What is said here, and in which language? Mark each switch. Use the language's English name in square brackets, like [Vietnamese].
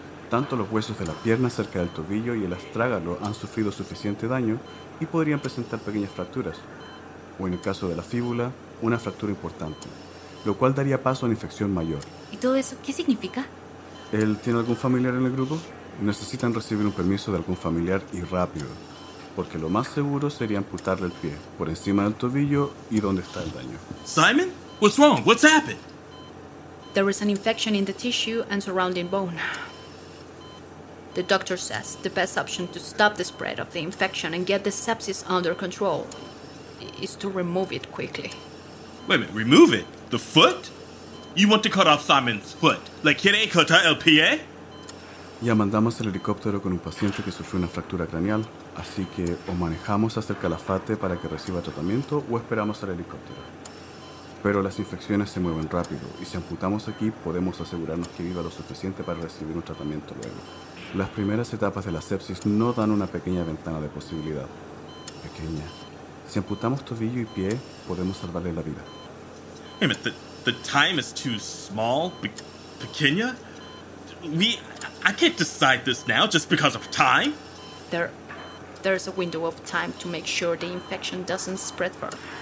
[Spanish] Tanto los huesos de la pierna cerca del tobillo y el astrágalo han sufrido suficiente daño y podrían presentar pequeñas fracturas, o en el caso de la fíbula, una fractura importante, lo cual daría paso a una infección mayor. ¿Y todo eso qué significa? ¿Él tiene algún familiar en el grupo? Necesitan recibir un permiso de algún familiar y rápido, porque lo más seguro sería amputarle el pie, por encima del tobillo y donde está el daño. [English] Simon, what's wrong? What's happened? There was an infection in the tissue and surrounding bone. The doctor says the best option to stop the spread of the infection and get the sepsis under control is to remove it quickly. Wait a minute, remove it? The foot? You want to cut off Simon's foot? [Spanish] Like, ¿quiere cortar el pie? Ya mandamos el helicóptero con un paciente que sufrió una fractura craneal, así que o manejamos hasta el calafate para que reciba tratamiento o esperamos al helicóptero. Pero las infecciones se mueven rápido y si amputamos aquí podemos asegurarnos que viva lo suficiente para recibir un tratamiento luego. Las primeras etapas de la sepsis no dan una pequeña ventana de posibilidad. Pequeña. Si amputamos tobillo y pie, podemos salvarle la vida. [English] Wait a minute, the time is too small. Pequeña? I can't decide this now just because of time. There's a window of time to make sure the infection doesn't spread further.